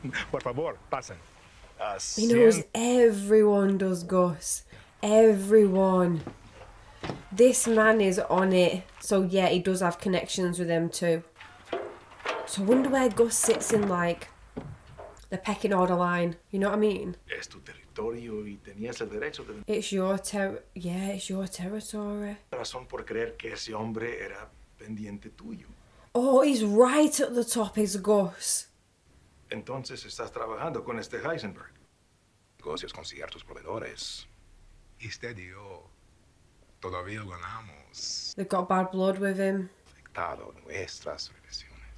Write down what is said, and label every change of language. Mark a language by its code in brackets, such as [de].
[es] Por favor, pasen. [en] He knows everyone does, Gus. Everyone. This man is on it. So, yeah, he does have connections with them too. So I wonder where Gus sits in, like, the pecking order line. You know what I mean? [es] Es tu territorio y tenías el derecho de... [en] It's your territory. Yeah, it's your territory. [es] Razón por creer que ese hombre era pendiente tuyo. [en] Oh, he's right at the top, he's Gus. [es] Entonces estás trabajando con este Heisenberg. Negocios con ciertos proveedores. Y usted y yo todavía ganamos. [en] They've got bad blood with him. [es] Afectado nuestras relaciones.